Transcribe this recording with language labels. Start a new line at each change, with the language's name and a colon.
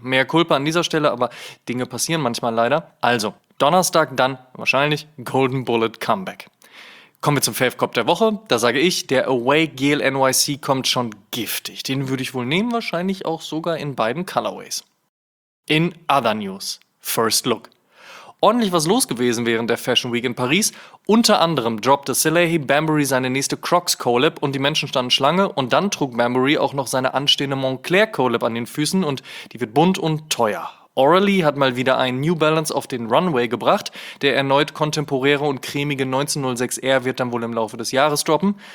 German: Mehr Kulpa an dieser Stelle, aber Dinge passieren manchmal leider. Also, Donnerstag dann wahrscheinlich Golden Bullet Comeback. Kommen wir zum Fave-Cop der Woche. Da sage ich, der Away Gale NYC kommt schon giftig. Den würde ich wohl nehmen, wahrscheinlich auch sogar in beiden Colorways.
English: In other news, first look.
German: Ordentlich was los gewesen während der Fashion Week in Paris. Unter anderem droppte Salehe Bembury seine nächste Crocs Collab und die Menschen standen Schlange. Und dann trug Bembury auch noch seine anstehende Moncler Collab an den Füßen und die wird bunt und teuer. Aurelie hat mal wieder einen New Balance auf den Runway gebracht. Der erneut kontemporäre und cremige 1906 Air wird dann wohl im Laufe des Jahres droppen.